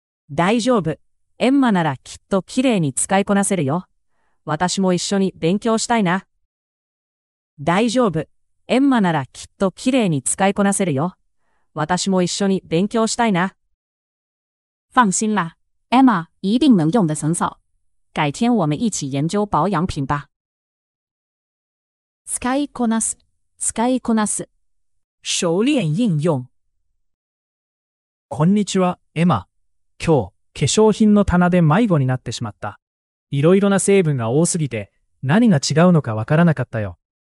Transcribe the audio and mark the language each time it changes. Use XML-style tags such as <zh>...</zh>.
<ja>大丈夫。エンマならきっと綺麗に使いこなせるよ。私も一緒に勉強したいな。大丈夫。エンマならきっと綺麗に使いこなせるよ。私も一緒に勉強したいな。</ja> <zh>放心啦。エンマ一定能用得很好。改天我们一起研究保养品吧。</zh> <ja>使いこなす、使いこなす。</ja> <zh>熟練應用。</zh> <ja>こんにちは、エマ。今日、化粧品の棚で迷子になってしまった。いろいろな成分が多すぎて、何が違うのかわからなかったよ。</ja>